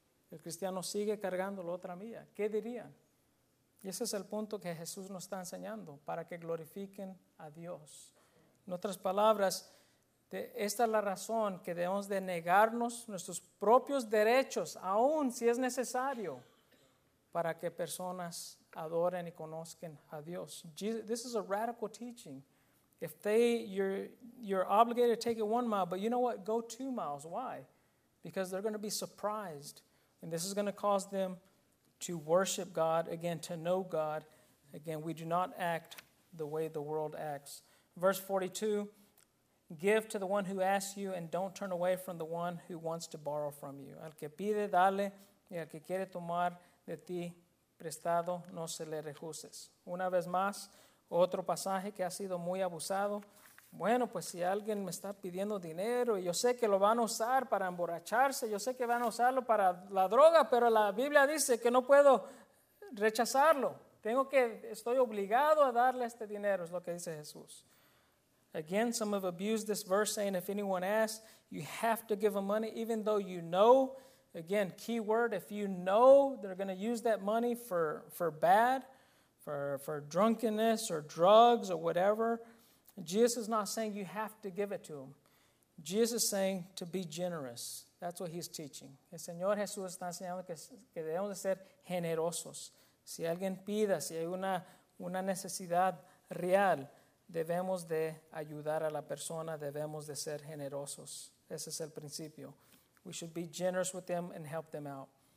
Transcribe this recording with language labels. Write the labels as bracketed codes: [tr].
[es] El cristiano sigue cargando la 1 milla. ¿Qué dirían? Y ese es el punto que Jesús nos está enseñando, para que glorifiquen a Dios. En otras palabras, esta es la razón que debemos de negarnos nuestros propios derechos, aun si es necesario, para que personas adoren y conozcan a Dios. [en] This is a radical teaching. If you're obligated to take it 1 mile, but you know what? Go 2 miles. Why? Because they're going to be surprised. And this is going to cause them to worship God again, to know God. Again, we do not act the way the world acts. Verse 42, give to the one who asks you and don't turn away from the one who wants to borrow from you. [es] Al que pide, dale. Y al que quiere tomar de ti prestado, no se le rehuses. Una vez más, otro pasaje que ha sido muy abusado. Bueno, pues si alguien me está pidiendo dinero, y yo sé que lo van a usar para emborracharse, yo sé que van a usarlo para la droga, pero la Biblia dice que no puedo rechazarlo. Estoy obligado a darle este dinero, es lo que dice Jesús. [en] Again, some have abused this verse saying, if anyone asks, you have to give them money, even though you know, again, key word, if you know they're going to use that money for bad, for drunkenness or drugs or whatever, Jesus is not saying you have to give it to them. Jesus is saying to be generous. That's what he's teaching. [es] El Señor Jesús está enseñando que debemos de ser generosos. Si alguien pida, si hay una necesidad real, debemos de ayudar a la persona, debemos de ser generosos. Ese es el principio. [en] We should be generous with them and help them out.